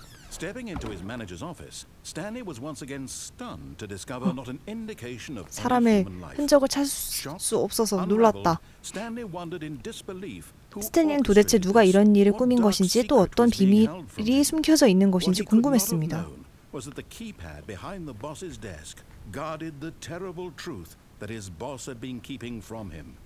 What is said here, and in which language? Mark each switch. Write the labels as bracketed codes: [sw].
[en] Stepping into his manager's office, Stanley was once again stunned to discover not an indication of human life. [ko] 사람의 흔적을 찾을 수 없어서 놀랐다. 스탠리는 도대체 누가 이런 일을 꾸민 것인지 또 어떤 비밀이 숨겨져 있는 것인지 궁금했습니다. [en] Was that the keypad behind the boss's desk guarded the terrible truth that his boss had been keeping from him?